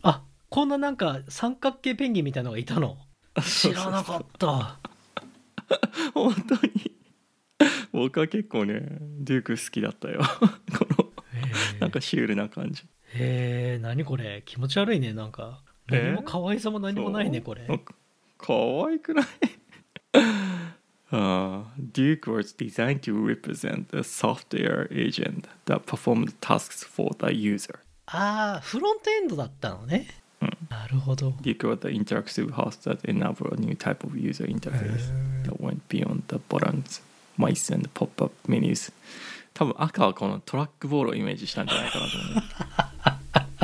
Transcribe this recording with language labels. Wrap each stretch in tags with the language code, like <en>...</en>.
<ja>あ、こんななんか三角形ペンギンみたいなのがいたの、知らなかったそうそうそう本当に僕は結構ねデューク好きだったよこのなんかシュールな感じ、へえ、何これ、気持ち悪いね、なんか何も可愛さも何もないね、これ可愛くない</ja> <en>Duke was designed to represent the software agent that performed tasks for the user.</en> <ja>ああ、フロントエンドだったのね。うん、なるほど。</ja> <en>Duke was the interactive host that enabled a new type of user interface that went beyond the buttons, mice and pop-up menus.</en> <ja>多分赤はこのトラックボールをイメージしたんじゃないかなと思う。</ja>